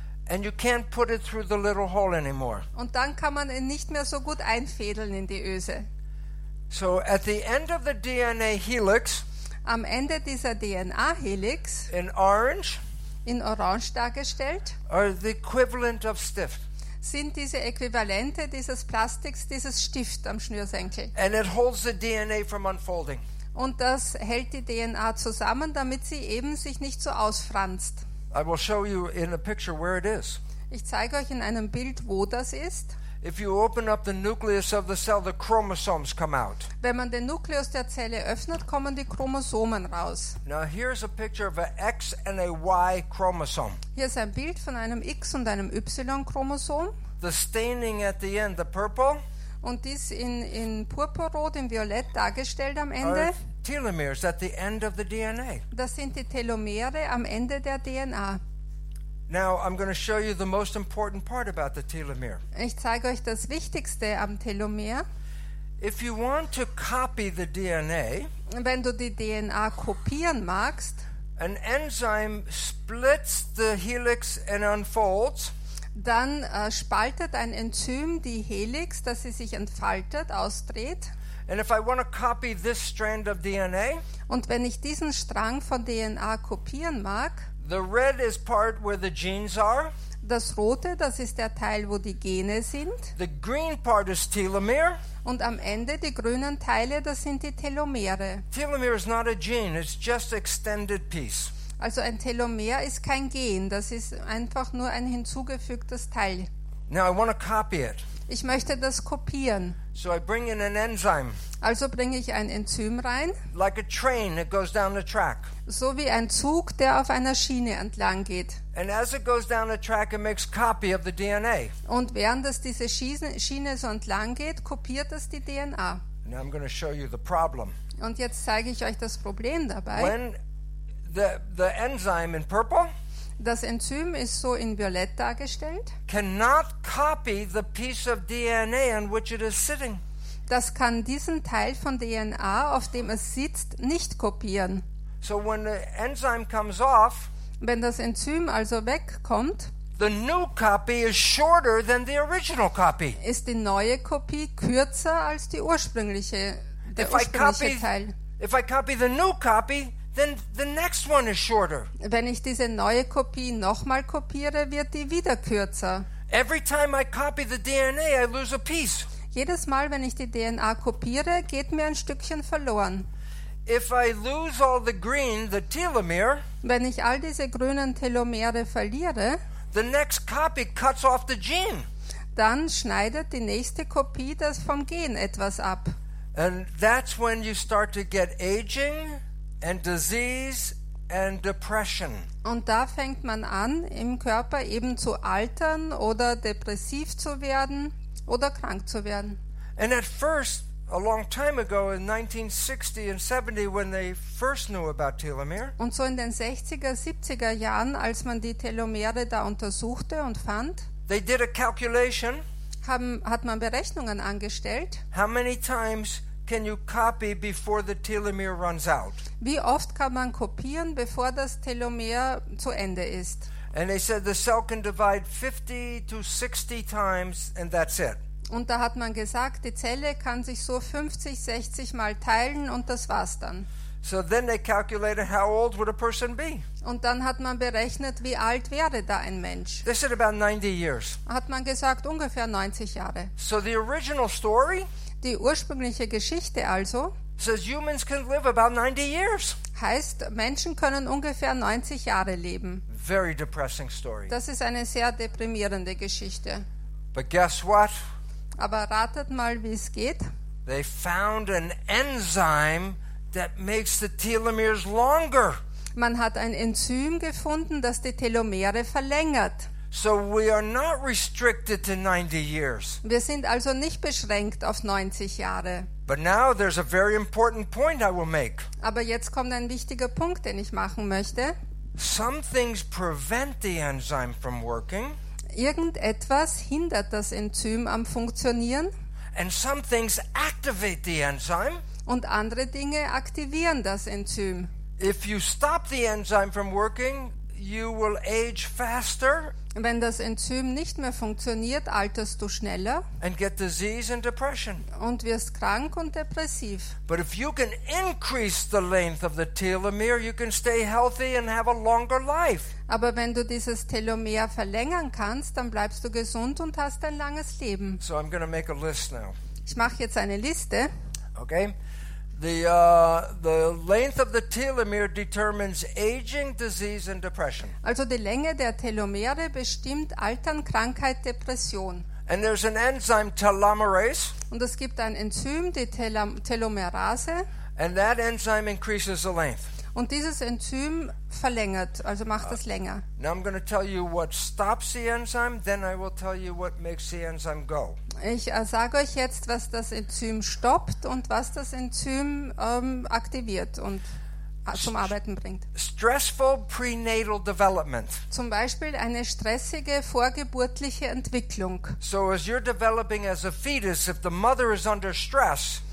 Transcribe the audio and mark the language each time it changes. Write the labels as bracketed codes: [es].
[en] And you can't put it through the little hole anymore. [de] Und dann kann man ihn nicht mehr so gut einfädeln in die Öse. [en] So at the end of the DNA helix, [de] am Ende dieser DNA Helix, [en] in orange [de] dargestellt, [en] are the equivalent of stift. [de] Sind diese Äquivalente dieses Plastiks, dieses Stift am Schnürsenkel. [en] And it holds the DNA from unfolding. [de] Und das hält die DNA zusammen, damit sie eben sich nicht so ausfranst. [en] I will show you in a picture where it is. [de] Ich zeige euch in einem Bild, wo das ist. [en] If you open up the nucleus of the cell, the chromosomes come out. [de] Wenn man den Nukleus der Zelle öffnet, kommen die Chromosomen raus. [en] Now here's a picture of an X and a Y chromosome. [de] Hier ist ein Bild von einem X und einem Y Chromosom. [en] The staining at the end, the purple. [de] Und dies in purpurrot, in violett dargestellt am Ende. [en] Are telomeres at the end of the DNA. [de] Das sind die Telomere am Ende der DNA. [en] Now I'm going to show you the most important part about the telomere. [de] Ich zeige euch das Wichtigste am Telomer. [en] If you want to copy the DNA, [de] wenn du die DNA kopieren magst, [en] an enzyme splits the helix and unfolds. [de] Dann spaltet ein Enzym die Helix, dass sie sich entfaltet, ausdreht. [en] And if I want to copy this strand of DNA, [de] und wenn ich diesen Strang von DNA kopieren mag, [en] the red is part where the genes are. [de] Das rote, das ist der Teil, wo die Gene sind. [en] The green part is telomere. [de] Und am Ende die grünen Teile, das sind die Telomere. [en] Telomere is not a gene, it's just extended piece. [de] Also ein Telomer ist kein Gen, das ist einfach nur ein hinzugefügtes Teil. [en] Now I want to copy it. [de] Ich möchte das kopieren. [en] So I bring in an enzyme. [de] Also bringe ich ein Enzym rein. [en] Like a train, it goes down the track. [de] So wie ein Zug, der auf einer Schiene entlang geht. [en] And as it goes down the track, it makes copy of the DNA. [de] Und während es diese Schiene so entlang geht, kopiert es die DNA. [en] Now I'm going to show you the problem. [de] Und jetzt zeige ich euch das Problem dabei. [en] When the enzyme in purple, [de] das Enzym ist so in violett dargestellt, [en] cannot copy the piece of DNA on which it is sitting. [de] Das kann diesen Teil von DNA, auf dem es sitzt, nicht kopieren. [en] So when the enzyme comes off, [de] wenn das Enzym also wegkommt, [en] The new copy is shorter than the original copy. [de] Ist die neue Kopie kürzer als die ursprüngliche, der Teil? [en] If I copy the new copy, then the next one is shorter. [de] Wenn ich diese neue Kopie nochmal kopiere, wird die wieder kürzer. [en] Every time I copy the DNA, I lose a piece. [de] Jedes Mal, wenn ich die DNA kopiere, geht mir ein Stückchen verloren. [en] If I lose all the green, the telomere, [de] wenn ich all diese grünen Telomere verliere, [en] the next copy cuts off the gene. [de] Dann schneidet die nächste Kopie das vom Gen etwas ab. [en] And that's when you start to get aging and disease and depression. [de] Und da fängt man an, im Körper eben zu altern oder depressiv zu werden oder krank zu werden. [en] And at first, a long time ago in 1960 and 70 when they first knew about telomere. [de] Und so in den 60er, 70er Jahren, als man die Telomere da untersuchte und fand, [en] they did a calculation. [de] Hat man Berechnungen angestellt. [en] How many times can you copy before the telomere runs out? [de] Wie oft kann man kopieren, bevor das Telomer zu Ende ist? [en] And they said the cell can divide 50 to 60 times and that's it. [de] Und da hat man gesagt, die Zelle kann sich so 50, 60 Mal teilen und das war's dann. [en] So then they calculated how old would a person be. [de] Und dann hat man berechnet, wie alt wäre da ein Mensch. [en] They said about 90 years. [de] Hat man gesagt, ungefähr 90 Jahre. [en] So the original story, [de] die ursprüngliche Geschichte also, [en] says humans can live about 90 years. [de] Heißt, Menschen können ungefähr 90 Jahre leben. [en] Very depressing story. [de] Das ist eine sehr deprimierende Geschichte. [en] But guess what? [de] Aber ratet mal, wie es geht. [en] They found an enzyme that makes the telomeres longer. [de] Man hat ein Enzym gefunden, das die Telomere verlängert. [en] So we are not restricted to 90 years. [de] Wir sind also nicht beschränkt auf 90 Jahre. [en] But now there's a very important point I will make. [de] Aber jetzt kommt ein wichtiger Punkt, den ich machen möchte. [en] Some things prevent the enzyme from working. [de] Irgendetwas hindert das Enzym am Funktionieren. [en] And some things activate the enzyme. [de] Und andere Dinge aktivieren das Enzym. [en] If you stop the enzyme from working, you will age faster. [de] Wenn das Enzym nicht mehr funktioniert, alterst du schneller. [en] And get disease and depression. [de] Und wirst krank und depressiv. [en] But if you can increase the length of the telomere, you can stay healthy and have a longer life. [de] Aber wenn du dieses Telomer verlängern kannst, dann bleibst du gesund und hast ein langes Leben. [en] So I'm going to make a list now. [de] Ich mache jetzt eine Liste. [en] Okay. The length of the telomere determines aging, disease and depression. [de] Also die Länge der Telomere bestimmt Altern, Krankheit, Depression. [en] And there's an enzyme telomerase. [de] Und es gibt ein Enzym, die Telomerase. [en] And that enzyme increases the length. [de] Und dieses Enzym verlängert, also macht es länger. [en] Now I'm going to tell you what stops the enzyme, then I will tell you what makes the enzyme go. [de] Ich sage euch jetzt, was das Enzym stoppt und was das Enzym aktiviert und zum Arbeiten bringt. [en] Stressful prenatal development. [de] Zum Beispiel eine stressige vorgeburtliche Entwicklung. [en] So as you're developing as a fetus, if the mother is under stress,